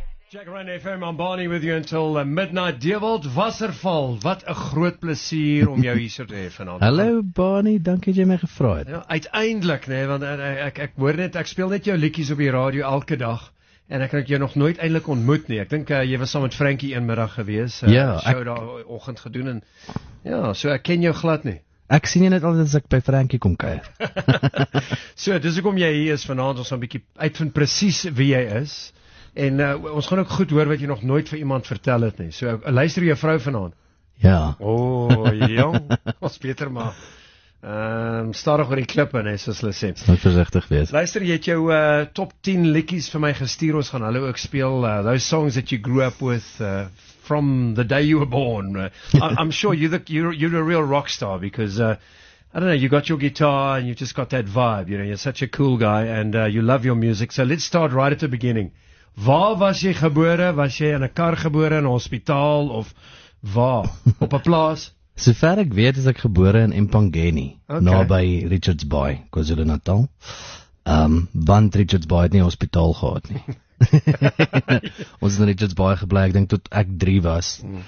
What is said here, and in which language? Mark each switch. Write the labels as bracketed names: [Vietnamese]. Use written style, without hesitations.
[English] Jacaranda FM, I'm Bonnie with you until midnight. [Afrikaans] Dewald Wasserval, wat 'n groot plesier om jou hier te hê vanavond. Hallo Bonnie, dankie dat jy my gevra het. Ja, uiteindelik, nee, want ek hoor net, ek speel net jou liedjies op die radio elke dag. En ek het jou nog nooit eintlik ontmoet nie. Ek dink jy was saam met Frankie eenmiddag gewees. Ja, ek sou daai oggend gedoen en ja, so ek ken jou glad nie. Ek sien jy net altyd as ek by Frankie kom kuier. So, dis hoekom jy hier is vanavond, ons gaan 'n bietjie uitvind presies wie jy is. En ons gaan ook goed hoor wat jy nog nooit vir iemand vertel het nie. So, luister jou vrou vanavond. Ja. Oh, jong, ons beter maar. Stadig oor die klippe, nee, soos hulle sê. Moet voorzichtig wees. Luister, jy het jou top 10 likkies vir my gestuur, ons gaan hulle ook speel. [English] Those songs that you grew up with from the day you were born. I'm sure you're a real rock star because, I don't know, you got your guitar and you just got that vibe. You know, you're such a cool guy and you love your music. So let's start right at the beginning. [Afrikaans] Waar was jy gebore? Was jy in 'n kar gebore, in 'n hospitaal of waar? Op 'n plaas? Sover ek weet, is ek gebore in Empangeni, okay. Naby Richards Bay, KwaZulu-Natal. Want Richards Bay het nie hospitaal gehad nie. Ons is in Richards Bay gebly, ek dink tot ek 3 was.